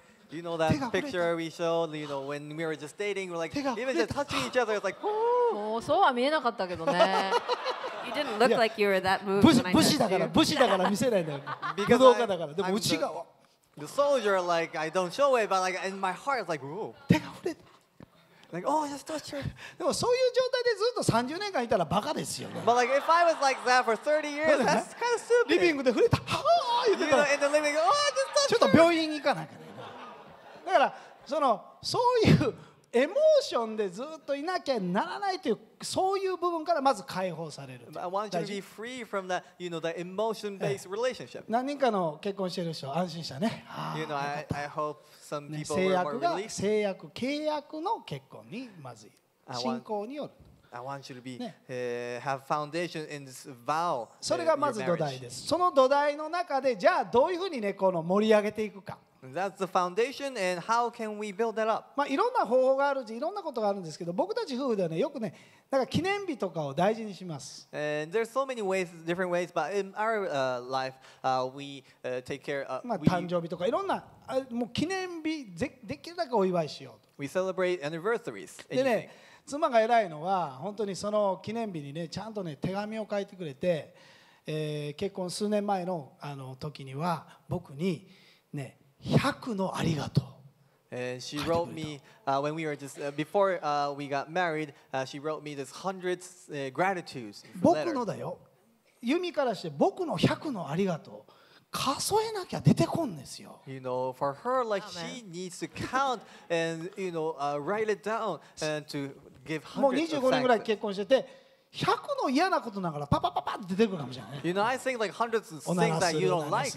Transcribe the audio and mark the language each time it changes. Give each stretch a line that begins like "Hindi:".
English: You know that picture we showed, you know, when we were just dating, we're like, even just touching each other, it's like,
Japanese: もうそうは見えなかったけどね。
English: You didn't look like you were that moved.
Japanese: 武士だから見せないんだよ。武道家だから。でも内側。
English: The soldier, like, I don't show it, but like, in my heart, it's like, whoa.
Japanese: 手が触れた。
English: Like, oh, just touch her.
Japanese: でもそういう状態でずっと30年間いたらバカですよ。
English: But like, if I was like that for 30 years, that's kind of stupid.
Japanese: リビングで触れた。はぁー言ってた。
English: You know, in the living room, oh, just touch her.
Japanese: ちょっと病院行かなきゃ。だから、その、そういう、エモーションでずっといなきゃならないというそういう部分からまず解放される。
English: I want you to be free from that, you know, that emotion-based relationship.
Japanese: 何人かの結婚してる人安心したね。
English: You know, I hope some people were more released.
Japanese: 制約が契約の結婚にまずい。信仰による。
English: I want you to be、ね、have foundation in this vow.
Japanese: それがまず土台です。その土台の中でじゃあどういうふうにねこの盛り上げていくか。
English: That's the foundation, and how can we build that up?
Japanese: まあ、いろんな方法があるし、いろんなことがあるんですけど、僕たち夫婦ではね、よくね、なんか記念日とかを大事にします。
English: And there's so many ways, different ways, but in our life, we take care of.
Japanese: まあ、誕生日とかいろんな、もう記念日できるだけお祝いしようと。
English: We celebrate anniversaries.
Japanese: でね、妻が偉いのは、本当にその記念日にね、ちゃんとね、手紙を書いてくれて、結婚数年前の、時には、僕にね、100のありがとう。
English: And she wrote me when we were just before we got married. She wrote me this hundreds gratitudes.
Japanese: 僕のだよ。ユミからして僕の100のありがとう数えなきゃ出てこんですよ。
English: You know, for her, like she needs to count and you know write it down and to give hundreds.
Japanese: もう25年ぐらい結婚してて。100の嫌なことながらパパパパって出てくるかもしれない。
English: You know, I think like hundreds of things that you don't like.